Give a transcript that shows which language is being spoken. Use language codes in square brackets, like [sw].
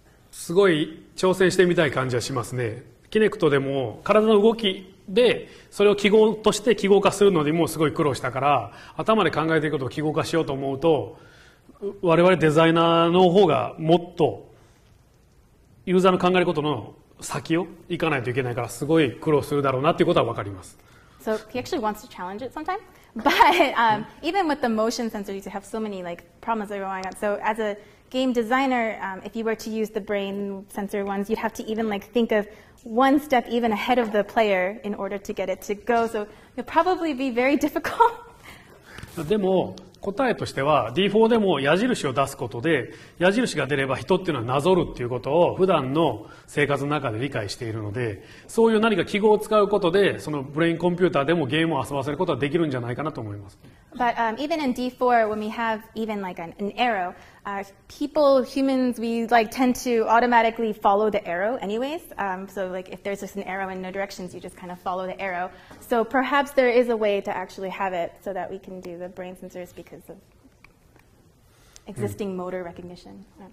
[ja] すごい挑戦してみたい感じはしますね。Kinect でも体の動きで、それを記号として記号化するのにもすごい苦労したから、頭で考えていくことを記号化しようと思うと、我々デザイナーの方がもっとユーザーの考えることの先を行かないといけないから、すごい苦労するだろうなということは分かります。 [en] So he actually wants to challenge it sometime. But even with the motion sensor, you have so many like problems that are going on. So as a game designer, if you were to use the brain sensor ones, you'd have to even like think of one step even ahead of the player in order to get it to go. So it'll probably be very difficult. [ja] でも、答えとしては D4 でも矢印を出すことで矢印が出れば人っていうのはなぞるっていうことを普段の生活の中で理解しているのでそういう何か記号を使うことでそのブレインコンピューターでもゲームを遊ばせることはできるんじゃないかなと思います [en] But、even in D4 when we have even like an arrow people, humans, we like tend to automatically follow the arrow anyways、so like if there's just an arrow in no directions you just kind of follow the arrow so perhaps there is a way to actually have it so that we can do the brain sensorsBecause of existing motor recognition.